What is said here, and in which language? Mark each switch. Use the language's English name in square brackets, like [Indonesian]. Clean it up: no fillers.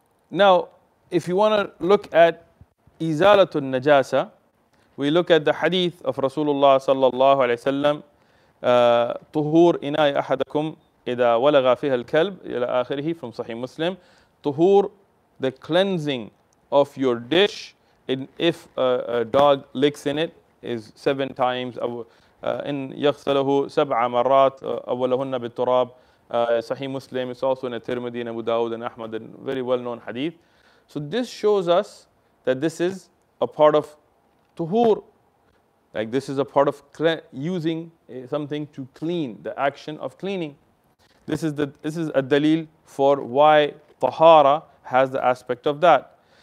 [English] Now, if you want to look at izalatul najasa, we look at the hadith of Rasulullah sallallahu alayhi wa sallam, [Arabic] tuhur inai ahadakum idha walaga fiha al-kalb ila akhirihi, [English] from Sahih Muslim. Tuhur, the cleansing of your dish, if a dog licks in it, is 7 times. [Arabic] In يغسله سبع مرات أولهن بالتراب. [English] Sahih Muslim. It's also in a Tirmidhi and Abu Dawud and Ahmad, a very well-known hadith. So this shows us that this is a part of tuhur. Like this is a part of using something to clean, the action of cleaning. This is a dalil for why tahara has the aspect of that.